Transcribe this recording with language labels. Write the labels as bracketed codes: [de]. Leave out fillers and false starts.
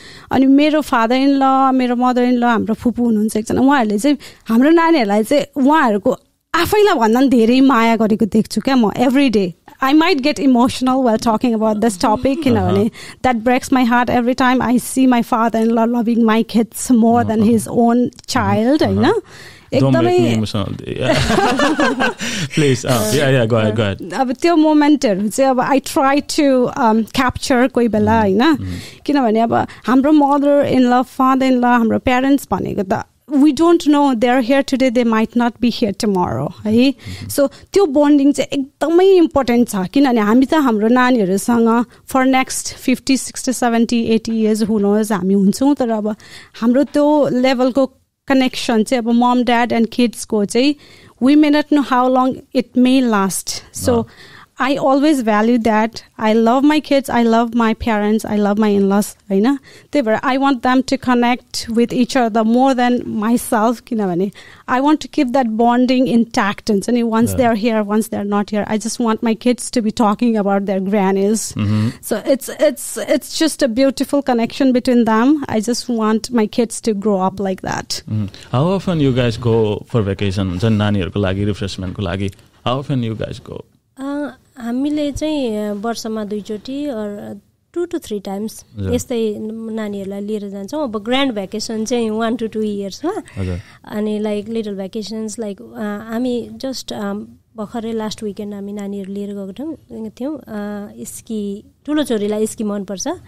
[ne] अनि मेरो father in ल मेरो मदर इन ल हाम्रो फुपू हुनुहुन्छ एकजना उहाँहरूले चाहिँ हाम्रो नानीहरूलाई चाहिँ उहाँहरूको आफैलाई भन्दा पनि धेरै माया गरेको देख्छु क्या म every day [en] I might get emotional while talking about this topic, you know, that breaks my heart every time I see my father-in-law loving my kids more than his own child, you know. Don't make me emotional. Please, go ahead. [ne] अब त्यो मोमेन्टहरू चाहिँ अब [en] I try to capture [ne] कोही बेला होइन किनभने अब हाम्रो मदर इन ल फादर इन ल हाम्रो प्यारेन्ट्स भनेको त [en] we don't know, they're here today, they might not be here tomorrow. Hai? Mm-hmm. So, that bonding is very important. Because we have a lot of people for next 50, 60, 70, 80 years, who knows, we have a lot of level of connection with mom, dad, and kids. We may not know how long it may last. So, I always value that. I love my kids. I love my parents. I love my in-laws. I want them to connect with each other more than myself. I want to keep that bonding intact. Once they're here, once they're not here, I just want my kids to be talking about their grannies. Mm-hmm. So it's just a beautiful connection between them. I just want my kids to grow up like that. Mm-hmm. How often you guys go for vacation? Refreshment? How often you guys go? [ne] हामीले चाहिँ वर्षमा दुईचोटि or 2 to 3 times यस्तै नानीहरुलाई लिएर जान्छौ अब grand vacation चाहिँ 1 to 2 years हो अनि लाइक लिटल वेकेशन्स लाइक हामी जस्ट भखरै लास्ट वीकेन्ड हामी नानीहरु लिएर गएको थियौ इस्की ठूलो छोरीलाई इस्की मन पर्छ